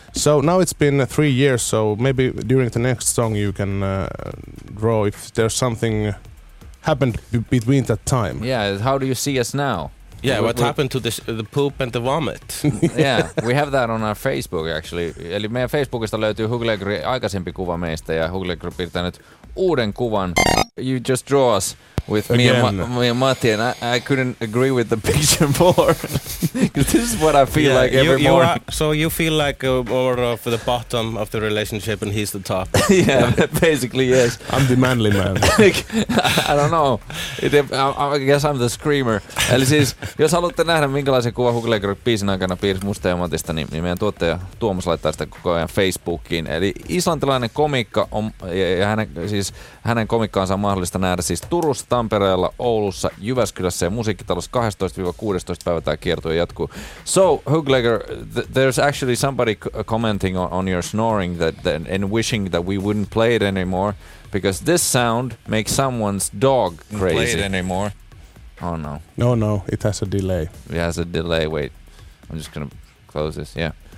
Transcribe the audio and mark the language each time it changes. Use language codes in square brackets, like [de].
[en] So now it's been 3 years, so maybe during the next song you can draw if there's something... happened between that time. Yeah, how do you see us now? Yeah, what happened to the poop and the vomit? Yeah, we have that on our Facebook actually. [fi] Eli meidän Facebookista löytyy Hooklegerin aikaisempi kuva meistä, ja Hooklegger piirtänyt uuden kuvan. [en] You just draw us with me and Matti, and I couldn't agree with the picture more. This is what I feel like every morning. You feel like more of the bottom of the relationship, and he's the top. Yeah, basically, yes. I'm the manly man. I don't know. I guess I'm the screamer. [fi] Eli siis, jos haluatte nähdä, minkälaisen kuva Hooklegger biisin aikana piirsi musta ja Matista, niin meidän tuottaja Tuomas laittaa sitä koko ajan Facebookiin. Eli islantilainen komikka on, ja hänen komikkaansa on mahdollista nähdä siis Turussa, Tampereella, Oulussa, Jyväskylässä ja Musiikkitalossa 12-16 päivä tämä kiertue jatkuu. [en] So, Hooklegger, there's actually somebody commenting on your snoring and wishing that we wouldn't play it anymore because this sound makes someone's dog crazy. Play it anymore. Oh, no. No, it has a delay. It has a delay. Wait, I'm just going to close this. Yeah.